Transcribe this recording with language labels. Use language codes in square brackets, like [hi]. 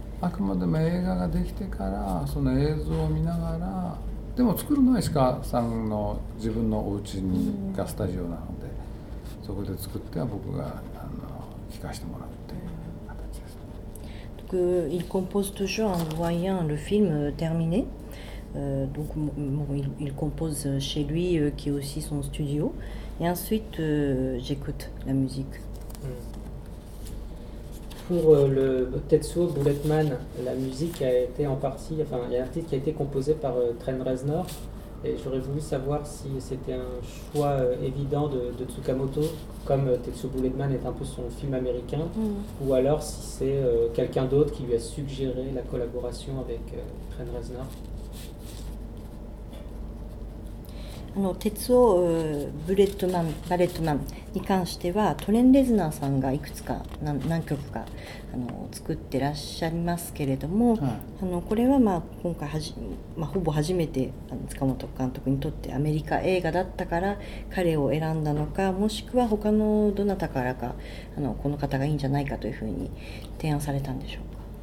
[ja] あくまでも映画ができてからその映像を見ながら、でも作るのは石川さんの自分のお家にがスタジオなので、そこで作っては僕が聴かせてもらうっていう形です。 [fr] Il compose toujours en voyant le film terminé. Donc bon, il compose chez lui, qui est aussi son studio. Et ensuite, j'écoute la musique. Pour le Tetsuo Bulletman, la musique a été en partie, enfin, il y a un titre qui a été composé par Trent Reznor. Et j'aurais voulu savoir si c'était un choix évident de Tsukamoto, comme Tetsuo Bulletman est un peu son film américain, ou alors si c'est quelqu'un d'autre qui lui a suggéré la collaboration avec Trent Reznor. [ja] Alors, Tetsuo Bulletman, に関してはトレン・レズナーさんがいくつか何曲か作ってらっしゃいますけれども、はい、これは、まあ、今回ほぼ初めて塚本監督にとってアメリカ映画だったから彼を選んだのか、もしくは他のどなたからかこの方がいいんじゃないかというふうに提案されたんでしょうか。